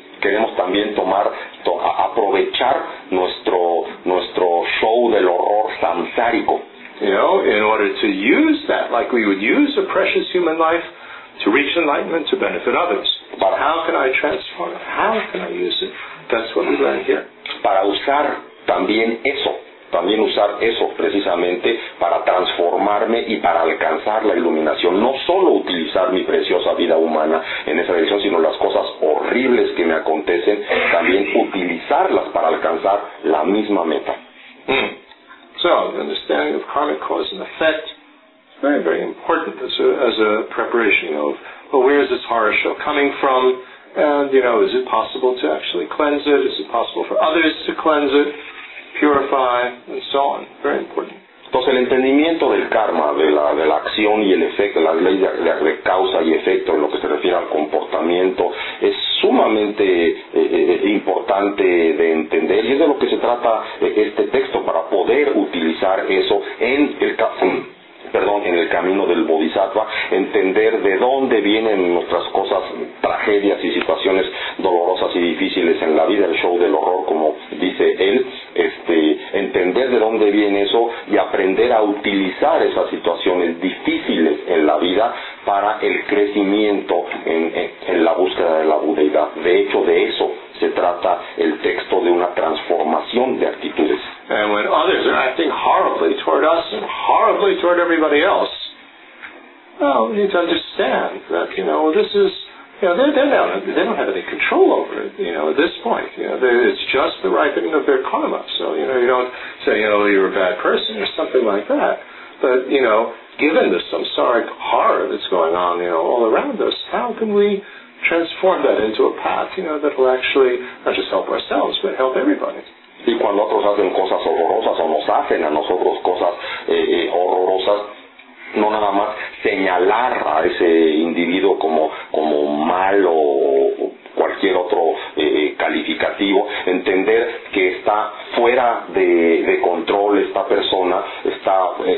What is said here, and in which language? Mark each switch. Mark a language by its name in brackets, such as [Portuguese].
[Spanish] Queremos también aprovechar nuestro show del horror samsárico. [English] You know, in order to use that, like we would use a precious human life to reach enlightenment, to benefit others. But how can I transform it? How can I use it? That's what we learn here. [Spanish] Para usar también usar eso precisamente para transformarme y para alcanzar la iluminación. No solo utilizar mi preciosa vida humana en esa dirección, sino las cosas horribles que me acontecen, también utilizarlas para alcanzar la misma meta. [English] So, the understanding of karmic cause and effect is very, very important as a preparation of, well, where is this horror show coming from? And, you know, is it possible to actually cleanse it? Is it possible for others to cleanse it? Purify and so on. Very important. [Spanish] Entonces, el entendimiento del karma, de la acción y el efecto, las leyes de causa y efecto en lo que se refiere al comportamiento, es sumamente importante de entender, y es de lo que se trata este texto, para poder utilizar eso en el en el camino del bodhisattva, entender de dónde vienen nuestras cosas, tragedias y situaciones dolorosas y difíciles en la vida, el show del horror, como dice él, entender de dónde viene eso y aprender a utilizar esas situaciones difíciles en la vida para el crecimiento en la búsqueda de la budeidad. De hecho, de eso se trata el texto, de una transformación de actitudes. [English] And when others are acting horribly toward us and horribly toward everybody else, well, we need to understand that, you know, this is, you know, they don't have any control over it, you know, at this point. You know, it's just the ripening of their karma. So, you know, you don't say, you know, you're a bad person or something like that. But, you know, given the samsaric horror that's going on, you know, all around us, how can we transform that into a path, you know, that will actually not just help ourselves, but help everybody? [Spanish] Y cuando otros hacen cosas horrorosas o nos hacen a nosotros cosas horrorosas, no nada más señalar a ese individuo como malo o cualquier otro calificativo, entender que está fuera de control esta persona, está